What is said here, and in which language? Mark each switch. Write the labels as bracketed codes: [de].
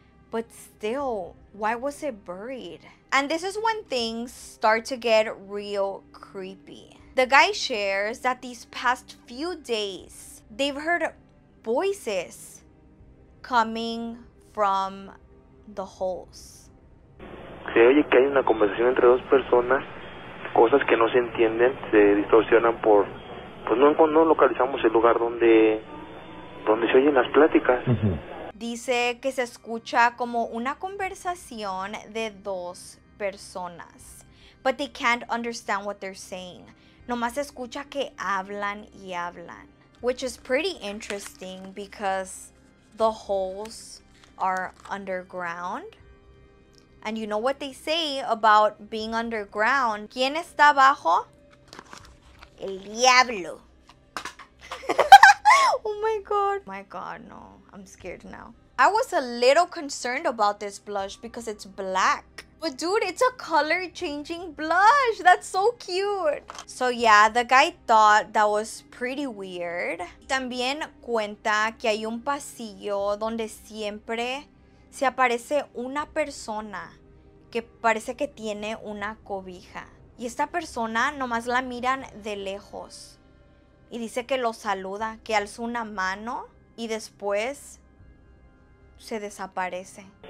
[en] But still, why was it buried? And this is when things start to get real creepy. The guy shares that these past few days, they've heard voices coming from the holes. [es] Se oye que hay una conversación entre dos personas, cosas que no se entienden, se distorsionan por, pues no localizamos el lugar donde se oyen las pláticas. Dice que se escucha como una conversación de dos personas, [en] but they can't understand what they're saying. [es] Nomás se escucha que hablan y hablan, [en] which is pretty interesting because the holes are underground. And you know what they say about being underground? [es] ¿Quién está abajo? El diablo. [en] Oh my god. My god, no. I'm scared now. I was a little concerned about this blush because it's black. But dude, it's a color changing blush. That's so cute. So yeah, the guy thought that was pretty weird. [es] También cuenta que hay un pasillo donde siempre se aparece una persona que parece que tiene una cobija. Y esta persona nomás la miran de lejos. Y dice que lo saluda, que alza una mano y después se desaparece.